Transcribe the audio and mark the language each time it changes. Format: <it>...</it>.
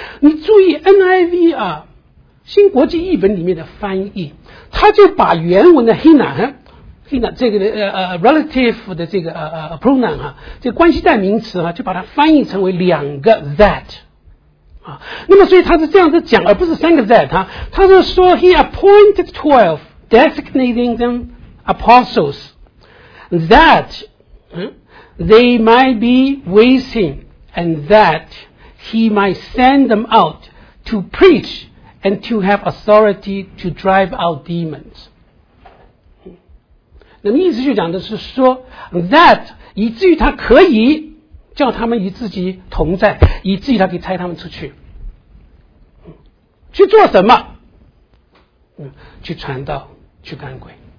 <zh>你注意 NIV 啊，新国际译本里面的翻译，他就把原文的 hina 这个relative 的这个pronoun 哈，这个关系代名词哈，就把它翻译成为两个 that 啊。那么所以他是这样子讲，而不是三个 that 哈。他是说</zh> <en>he appointed 12 designating them apostles that they might be with him and that he might send them out to preach and to have authority to drive out demons。</en> <zh>那么意思就讲的是说 that 以至于他可以叫他们与自己同在，以至于他可以差他们出去去做什么，去传道，去赶鬼。</zh>